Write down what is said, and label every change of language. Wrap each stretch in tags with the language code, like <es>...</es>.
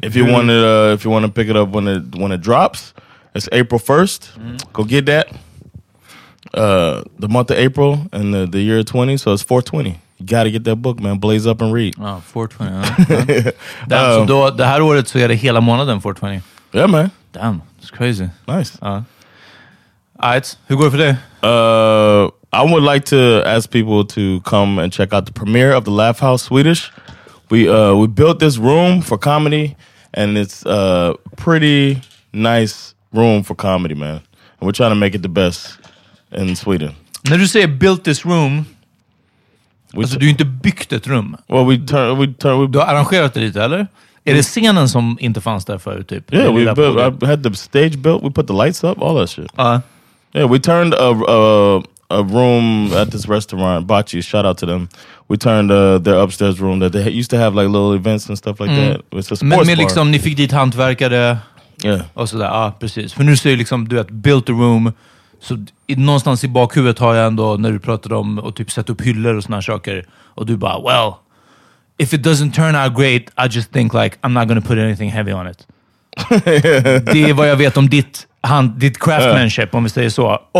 <en>If you want to pick it up when it drops, it's April 1st. Mm. Go get that. The month of April and the year of 20, so it's 420. You gotta get that book, man. Blaze up and read. Oh, 420.</en> <sv>Damn, så då, det här året så är det hela månaden 420.</sv> <en>Yeah, man. Damn, it's crazy. Nice.</en> <sv>Alright, hur går det för dig?</sv> <en>I would like to ask people to come and check out the premiere of the Laugh House Swedish. We built this room for comedy, and it's a pretty nice room for comedy, man. And we're trying to make it the best in Sweden.</en> <sv>När du säger</sv> <en>built this room,</en> <sv>alltså du har inte byggt ett rum.</sv> <en>Well, we</en> <sv>du har arrangerat det lite, eller? Är det scenen som inte fanns där förut, typ?</sv> <en>Yeah, I had the stage built, we put the lights up, all that shit. Yeah, we turned a room at this restaurant, Bocce, shout out to them. We turned their upstairs room that they used to have like little events and stuff like that. It's a sports bar.</en> <sv>Men liksom, ni fick dit hantverkare.</sv> <en>Yeah.</en> <sv>Och sådär, ja, precis. För nu ser du liksom, du vet,</sv> <en>built a room.</en> <sv>Så någonstans i bakhuvudet har jag ändå, när du pratar om och typ sätta upp hyllor och såna här saker. Och du bara,</sv> <en>well, if it doesn't turn out great, I just think like, I'm not gonna put anything heavy on it.</en> <sv>Det är vad jag vet om ditt craftsmanship, om vi säger så.</sv>